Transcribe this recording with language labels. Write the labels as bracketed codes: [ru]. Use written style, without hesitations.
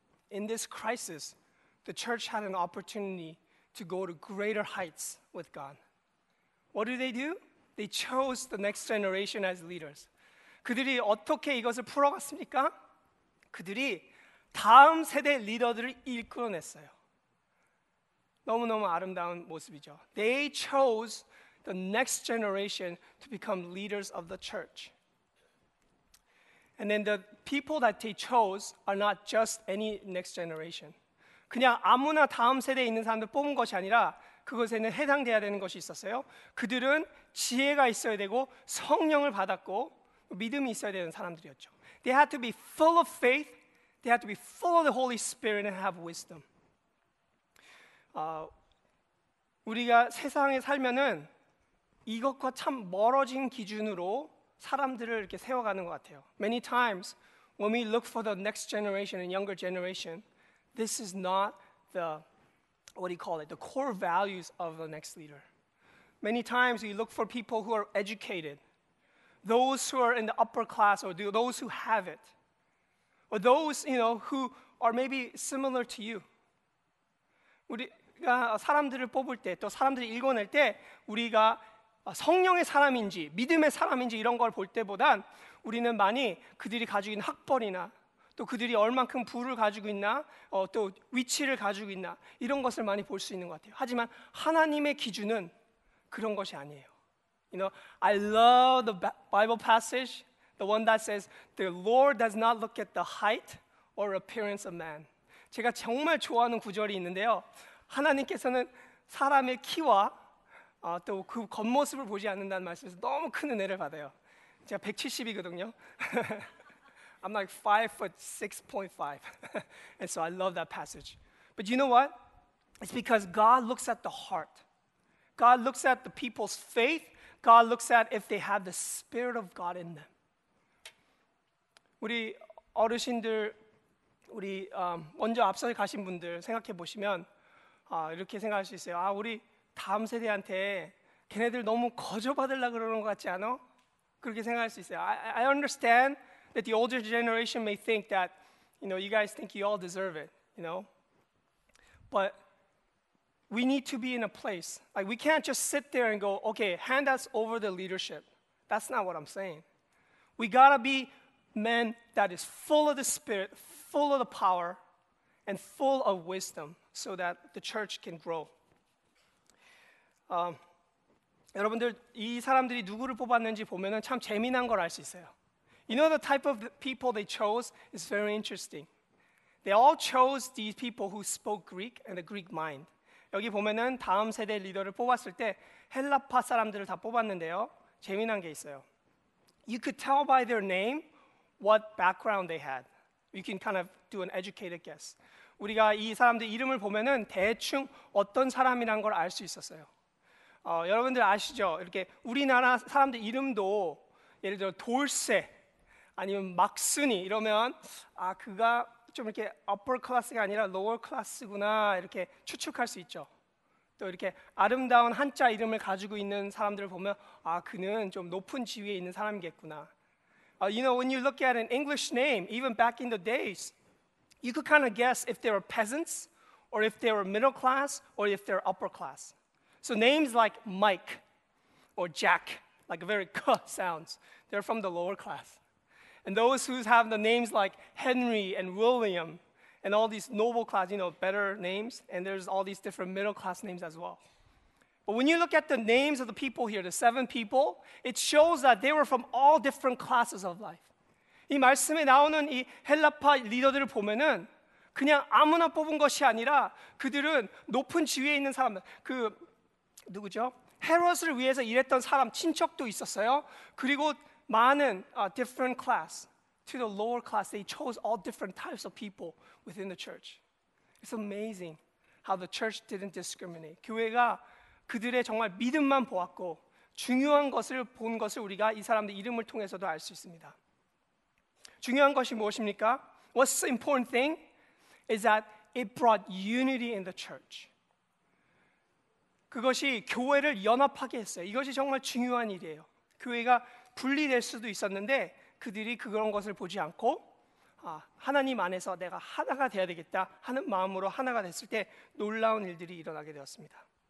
[en] In this crisis, the church had an opportunity to go to greater heights with God. What do? They chose the next generation as leaders. [ko] 그들이 어떻게 이것을 풀어갔습니까? 그들이 다음 세대 리더들을 이끌어냈어요. 너무너무 아름다운 모습이죠. [en] They chose the next generation to become leaders of the church. And then the people that they chose are not just any next generation. [ko] 그냥 아무나 다음 세대에 있는 사람들 뽑은 것이 아니라 그것에는 해당돼야 되는 것이 있었어요. 그들은 지혜가 있어야 되고 성령을 받았고 믿음이 있어야 되는 사람들이었죠. [en] They had to be full of faith. They had to be full of the Holy Spirit and have wisdom. [ko] 우리가 세상에 살면은 이것과 참 멀어진 기준으로 사람들을 이렇게 세워가는 것 같아요. [en] Many times when we look for the next generation and younger generation, this is not the, what do you call it, the core values of the next leader. Many times we look for people who are educated, those who are in the upper class or those who have it, or those, you know, who are maybe similar to you, [ko] 우리가 사람들을 뽑을 때 또 사람들을 읽어낼 때 우리가 성령의 사람인지 믿음의 사람인지 이런 걸 볼 때보단 우리는 많이 그들이 가지고 있는 학벌이나 또 그들이 얼만큼 부를 가지고 있나 또 위치를 가지고 있나 이런 것을 많이 볼 수 있는 것 같아요. 하지만 하나님의 기준은 그런 것이 아니에요. [en] You know, I love the Bible passage, the one that says, the Lord does not look at the height or appearance of man. [ko] 제가 정말 좋아하는 구절이 있는데요. 하나님께서는 사람의 키와 또 그 겉모습을 보지 않는다는 말씀에서 너무 큰 은혜를 받아요. 제가 170이거든요. [en] I'm like 5'6.5. And so I love that passage. But you know what? It's because God looks at the heart. God looks at the people's faith. God looks at if they have the Spirit of God in them. [ko] 우리 어르신들, 우리 먼저 앞서 가신 분들 생각해 보시면 이렇게 생각할 수 있어요. 아, 우리 다음 세대한테 걔네들 너무 거저받으려고 그러는 것 같지 않아? 그렇게 생각할 수 있어요. [en] I understand that the older generation may think that, you know, you guys think you all deserve it, you know? But we need to be in a place. Like, we can't just sit there and go, okay, hand us over the leadership. That's not what I'm saying. We gotta be men that is full of the Spirit, full of the power, and full of wisdom so that the church can grow. [ko] 여러분들, 이 사람들이 누구를 뽑았는지 보면 참 재미난 걸 알 수 있어요. [en] You know the type of people they chose is very interesting. They all chose these people who spoke Greek and the Greek mind. [ko] 여기 보면은 다음 세대 리더를 뽑았을 때 헬라파 사람들을 다 뽑았는데요. 재미난 게 있어요. [en] You could tell by their name what background they had. You can kind of do an educated guess. [ko] 우리가 이 사람들 이름을 보면은 대충 어떤 사람이란 걸 알 수 있었어요. 여러분들 아시죠? 이렇게 우리나라 사람들 이름도 예를 들어 돌쇠 아니면 막순이 이러면 아 그가 좀 이렇게 [en] upper class [ko] 가 아니라 [en] lower class [ko] 구나 이렇게 추측할 수 있죠. 또 이렇게 아름다운 한자 이름을 가지고 있는 사람들을 보면 아 그는 좀 높은 지위에 있는 사람이겠구나. [en] You know, when you look at an English name, even back in the days, you could kind of guess if they were peasants or if they were middle class or if they're upper class. So names like Mike or Jack, like a very kuh sounds, they're from the lower class. And those who have the names like Henry and William and all these noble class, you know, better names, and there's all these different middle class names as well. But when you look at the names of the people here, the seven people, it shows that they were from all different classes of life. [ko] 이 말씀에 나오는 이 헬라파 리더들을 보면은 그냥 아무나 뽑은 것이 아니라 그들은 높은 지위에 있는 사람, 그 누구죠? 헤롯을 위해서 일했던 사람, 친척도 있었어요. 그리고 많은 [en] different class to the lower class. They chose all different types of people within the church. It's amazing how the church didn't discriminate. [ko] 교회가 그들의 정말 믿음만 보았고 중요한 것을 본 것을 우리가 이 사람들 이름을 통해서도 알 수 있습니다. 중요한 것이 무엇입니까? [en] What's the important thing is that it brought unity in the church. [ko] 그것이 교회를 연합하게 했어요. 이것이 정말 중요한 일이에요. 교회가 분리될 수도 있었는데 그들이 그런 것을 보지 않고 하나님 안에서 내가 하나가 돼야 되겠다 하는 마음으로 하나가 됐을 때 놀라운 일들이 일어나게 되었습니다.